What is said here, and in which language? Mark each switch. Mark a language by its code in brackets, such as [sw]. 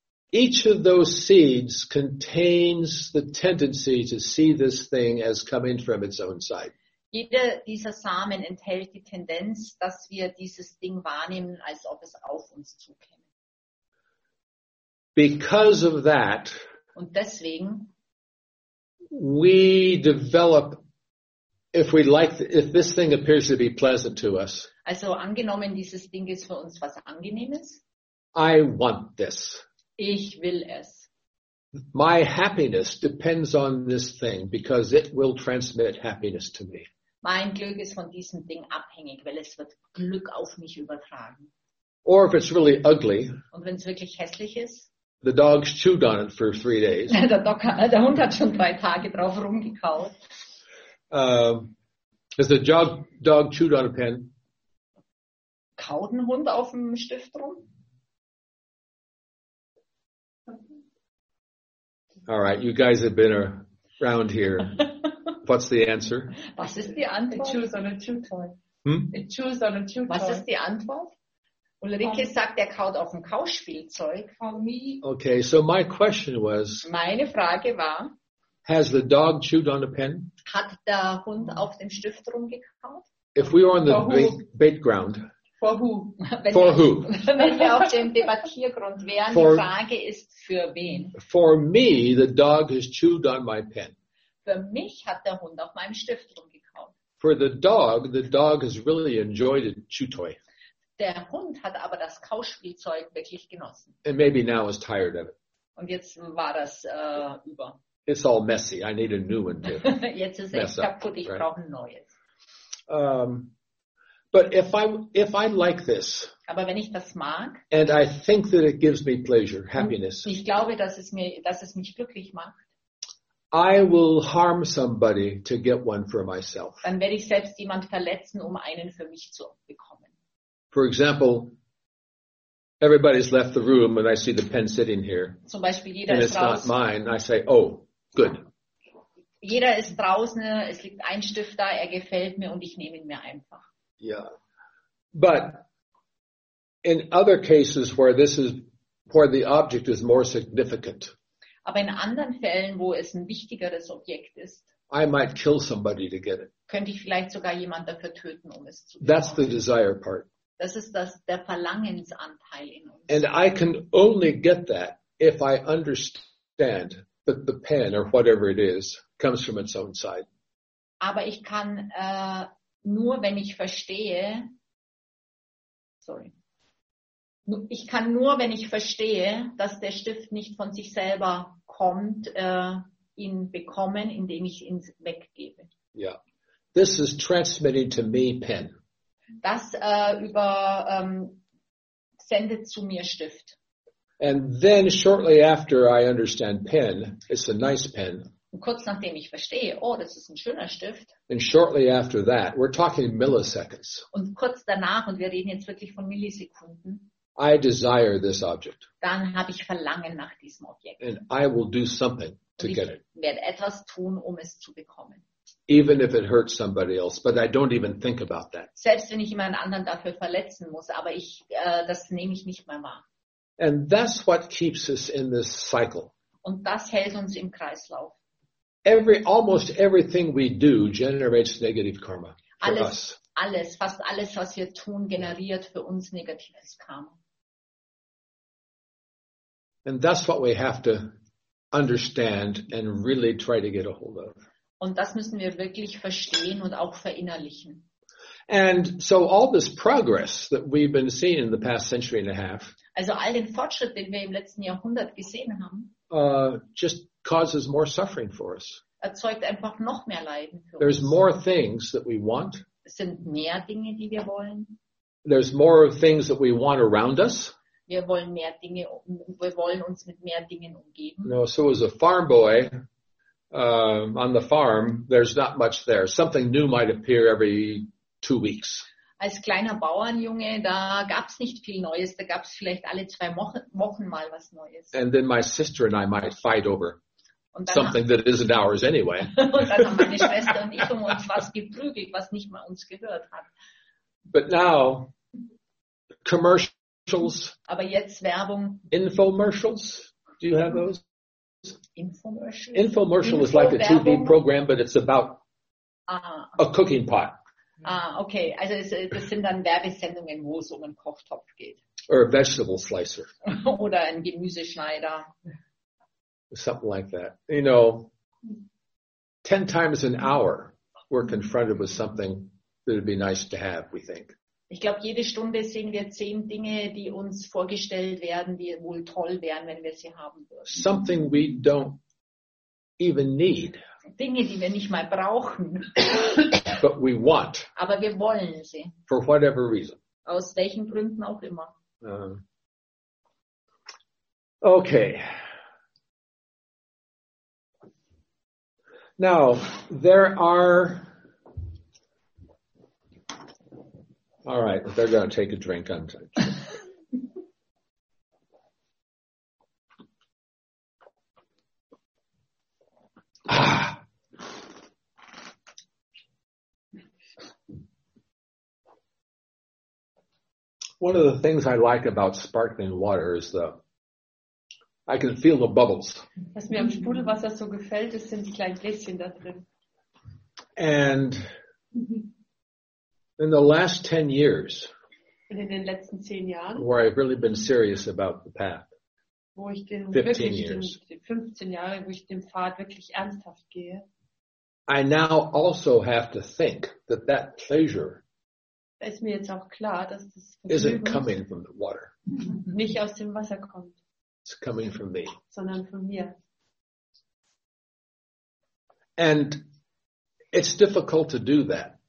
[en] Each of those seeds contains the tendency to see this thing as coming from its own side. [de] Jeder dieser Samen enthält die Tendenz, dass wir dieses Ding wahrnehmen, als ob es auf uns zukäme. [en] Because of that, [de] und deswegen, [en] we develop, if we like, if this thing appears to be pleasant to us. [de] Also angenommen, dieses Ding ist für uns was Angenehmes. [en] I want this. [de] Ich will es. [en] My happiness depends on this thing because it will transmit happiness to me. [de] Mein Glück ist von diesem Ding abhängig, weil es wird Glück auf mich übertragen. [en] Or if it's really ugly. [de] Und wenn es wirklich hässlich ist. [en] The dog's chewed on it for 3 days. [de] Der Hund hat schon 3 Tage drauf rumgekaut. [en] Is the dog chewed on a pen? [de] Kaut ein Hund auf dem Stift rum? [en] All right, you guys have been around here. What's the answer? [de] Was ist die Antwort? [en] It chews on a chew toy. It chews on a chew toy. [de] Was ist die Antwort? Ulrike sagt, er kaut auf dem Kauspielzeug. [en] For me. Okay, so my question was. [de] Meine Frage war. [en] Has the dog chewed on a pen? [de] Hat der Hund auf dem Stift rumgekaut? [en] If we were on the bait ground. For who? For who? [de] Wenn wir auf dem Debattiergrund wären, die Frage ist, für wen? [en] For me, the dog has chewed on my pen. [de] Für mich hat der Hund auf meinem Stift rumgekaut. [en] For the dog has really enjoyed a chew toy. [de] Der Hund hat aber das Kauspielzeug wirklich genossen. [en] And maybe now is tired of it. [de] Und jetzt war das über. [en] It's all messy. I need a new one too. [de] Jetzt ist es kaputt. Ich brauche ein neues. [en] But if I like this. [de] Aber wenn ich das mag. [en] And I think that it gives me pleasure, happiness. [de] Ich glaube, dass es mich glücklich macht. [en] I will harm somebody to get one for myself. [de] Dann werde ich selbst jemand verletzen, um einen für mich zu bekommen. [en] For example, everybody's left the room and I see the pen sitting here. [de] Zum Beispiel jeder [en] and [de] ist draußen. [en] And it's not mine. I say, oh, good. [de] Jeder ist draußen. Es liegt ein Stift da. Er gefällt mir und ich nehme ihn mir einfach. [en] Yeah, but in other cases where this is where the object is more significant. [de] Aber in anderen Fällen, wo es ein wichtigeres Objekt ist, [en] I might kill somebody to get it. [de] Könnte ich vielleicht sogar jemanden dafür töten, um es zu bekommen. [en] That's the desire part. [de] Das ist der Verlangensanteil in uns. [en] And I can only get that if I understand that the pen or whatever it is comes from its own side. [de] aber ich kann nur, wenn ich verstehe, sorry, ich kann nur, wenn ich verstehe, dass der Stift nicht von sich selber kommt, ihn bekommen, indem ich ihn weggebe. [en] Ja, yeah. This is transmitted to me, pen. [de] Das sendet zu mir Stift. [en] And then shortly after I understand pen, it's a nice pen. [de] Und kurz nachdem ich verstehe, oh, das ist ein schöner Stift. [en] And shortly after that, we're talking milliseconds. [de] Und kurz danach, und wir reden jetzt wirklich von Millisekunden. [en] I desire this object. [de] Dann habe ich Verlangen nach diesem Objekt. [en] And I will do something to get it. [de] Ich werde etwas tun, um es zu bekommen. [en] Even if it hurts somebody else, but I don't even think about that. [de] Selbst wenn ich jemand anderen dafür verletzen muss, aber ich das nehme ich nicht mehr wahr. [en] And that's what keeps us in this cycle. [de] Und das hält uns im Kreislauf. [en] Almost everything we do generates negative karma for us. [de] Alles, fast alles, was wir tun, generiert für uns negatives Karma. [en] And that's what we have to understand and really try to get a hold of. [de] Und das müssen wir wirklich verstehen und auch verinnerlichen. [en] And so all this progress that we've been seeing in the past century and a half. [de] Also all den Fortschritt, den wir im letzten Jahrhundert gesehen haben. [en] Just causes more suffering for us. [de] Erzeugt einfach noch mehr Leiden für [en] There's [de] uns. [en] More things that we want. [de] Es sind mehr Dinge, die wir wollen. [en] There's more things that we want around us. [de] Wir wollen mehr Dinge, wir wollen uns mit mehr Dingen umgeben. [en] No, so as a farm boy, on the farm, there's not much there. Something new might appear every 2 weeks. [de] Als kleiner Bauernjunge, da gab's nicht viel Neues. Da gab's vielleicht alle zwei Wochen mal was Neues. [en] And then my sister and I might fight over something that isn't ours anyway. [de] Und dann haben meine Schwester und ich um uns was geprügelt, was nicht mal uns gehört hat. [en] But now, commercials. [de] Aber jetzt Werbung. [en] Infomercials. Do you have those? Infomercial. Infomercial is like a TV program, but it's about a cooking pot. Ah, okay. [de] Also das sind dann Werbesendungen, wo es um einen Kochtopf geht. [en] Or a vegetable slicer. [de] Oder ein Gemüseschneider. [en] Something like that. You know, 10 times an hour we're confronted with something that would be nice to have, we think. [de] Ich glaube, jede Stunde sehen wir 10 Dinge, die uns vorgestellt werden, die wohl toll wären, wenn wir sie haben würden. [en] Something we don't even need. [de] Dinge, die wir nicht mal brauchen. [en] But we want. [de] Aber wir wollen sie. [en] For whatever reason. [de] Aus welchen Gründen auch immer. [en] Okay. Now, there are... All right, they're going to take a drink. I'm tired. One of the things I like about sparkling water is the I can feel the bubbles. [de] Was mir am Sprudelwasser so gefällt, ist, sind die kleinen Gläschen da drin. [en] And in the last 10 years, [de] und in den letzten 10 Jahren, [en] where I've really been serious about the path, [de] wo ich den 15 Jahre, wo ich den Pfad wirklich ernsthaft gehe, [en] I now also have to think that that pleasure [de] ist mir jetzt auch klar, dass das [en] isn't coming from the water. [de] Nicht aus dem Wasser kommt. [en] It's coming from me. [de] Sondern von mir. [en] And it's difficult to do that.